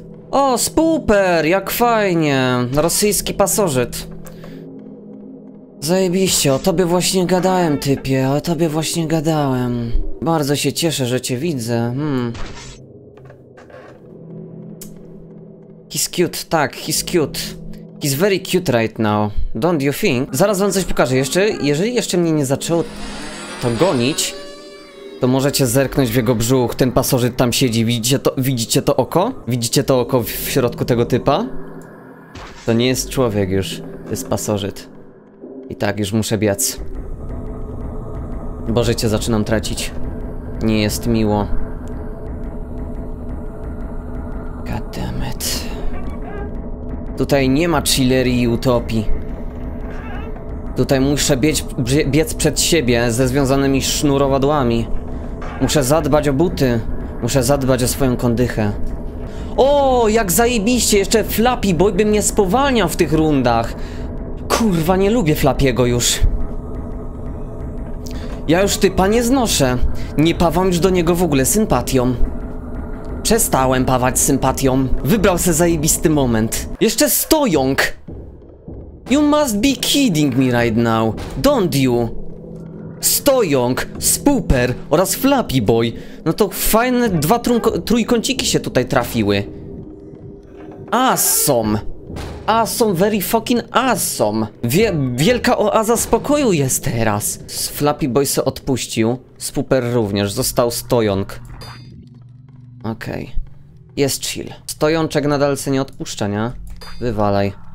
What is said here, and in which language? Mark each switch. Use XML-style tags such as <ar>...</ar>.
<pl>O, Spooper, jak fajnie. Rosyjski pasożyt. Zajebiście, o tobie właśnie gadałem, typie, o tobie właśnie gadałem. Bardzo się cieszę, że cię widzę,</pl> <en>He's cute,</en> <pl>tak,</pl> <en>he's cute. He's very cute right now, don't you think?</en> <pl>Zaraz wam coś pokażę, jeszcze, jeżeli jeszcze mnie nie zaczęło to gonić, to możecie zerknąć w jego brzuch, ten pasożyt tam siedzi, widzicie to oko? Widzicie to oko w środku tego typa? To nie jest człowiek już, to jest pasożyt. I tak, już muszę biec. Bo życie zaczynam tracić. Nie jest miło. Goddammit. Tutaj nie ma chillerii i utopii. Tutaj muszę biec przed siebie ze związanymi sznurowadłami. Muszę zadbać o buty. Muszę zadbać o swoją kondychę. O, jak zajebiście! Jeszcze Flappy Boy by mnie spowalniał w tych rundach. Kurwa, nie lubię Flappy'ego już. Ja już typa nie znoszę. Nie pawam już do niego w ogóle sympatią. Przestałem pawać sympatią. Wybrał se zajebisty moment. Jeszcze stojąk!</pl> <en>You must be kidding me right now. Don't you?</en> <pl>Stojąk, Spooper oraz Flappy Boy. No to fajne dwa trójkąciki się tutaj trafiły.</pl> <en>Awesome. Awesome, very fucking awesome.</en> <pl>Wielka oaza spokoju jest teraz. Flappy Boy se odpuścił. Spooper również, został stojąk. Okej. Jest chill. Stojączek nadal se nie odpuszcza, nie? Wywalaj.</pl>